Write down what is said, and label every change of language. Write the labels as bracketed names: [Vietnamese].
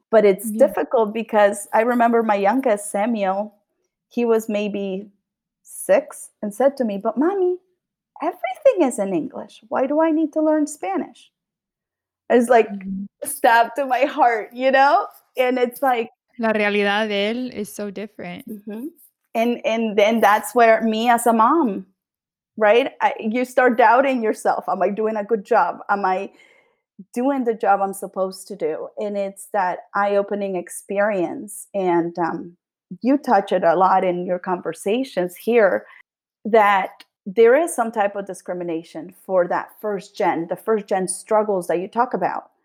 [English] But it's difficult because I remember my youngest, Samuel, he was maybe 6 and said to me, but mommy, everything is in English. Why do I need to learn Spanish? It's like stabbed to my heart, you know? And it's like, [Spanish] la realidad de él [English] is so different. Mm-hmm. And then that's where me as a mom, right? You start doubting yourself. Am I doing a good job? Am I doing the job I'm supposed to do? And it's that eye-opening experience. And you touch it a lot in your conversations here, that there is some type of discrimination for that first gen, the first gen struggles that you talk about.